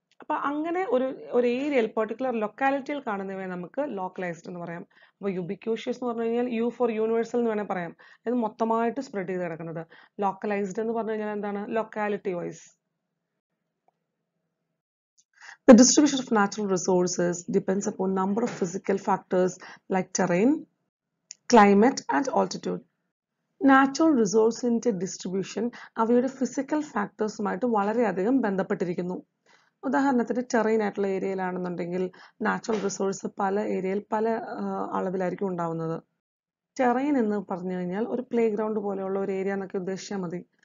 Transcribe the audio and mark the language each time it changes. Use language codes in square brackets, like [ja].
[ml] അപ്പോൾ അങ്ങനെ ഒരു ഏരിയയിൽ, പെർട്ടിക്കുലർ ലൊക്കാലിറ്റിയിൽ കാണുന്നവയെ നമുക്ക് ലോക്കലൈസ്ഡ് എന്ന് പറയാം. അപ്പോൾ യുബിക്യൂഷ്യസ് എന്ന് പറഞ്ഞു കഴിഞ്ഞാൽ [en] U for universal [ml] എന്ന് വേണമെങ്കിൽ പറയാം, അത് മൊത്തമായിട്ട് സ്പ്രെഡ് ചെയ്ത് കിടക്കുന്നത്. ലോക്കലൈസ്ഡ് എന്ന് പറഞ്ഞു കഴിഞ്ഞാൽ എന്താണ്? Locality vice. [en] The distribution of natural resources depends upon number of physical factors like terrain, climate and altitude. [ml] Natural റിസോഴ്സിൻ്റെ distribution അവയുടെ ഫിസിക്കൽ ഫാക്ടേഴ്സുമായിട്ട് വളരെയധികം ബന്ധപ്പെട്ടിരിക്കുന്നു. ഉദാഹരണത്തിന് ടെറൈൻ ആയിട്ടുള്ള ഏരിയയിലാണെന്നുണ്ടെങ്കിൽ നാച്ചുറൽ റിസോഴ്സ് പല ഏരിയയിൽ പല അളവിലായിരിക്കും ഉണ്ടാവുന്നത്. ടെറൈൻ എന്ന് പറഞ്ഞു കഴിഞ്ഞാൽ ഒരു പ്ലേ ഗ്രൗണ്ട് പോലെയുള്ള ഒരു ഏരിയ എന്നൊക്കെ ഉദ്ദേശിച്ചാൽ മതി.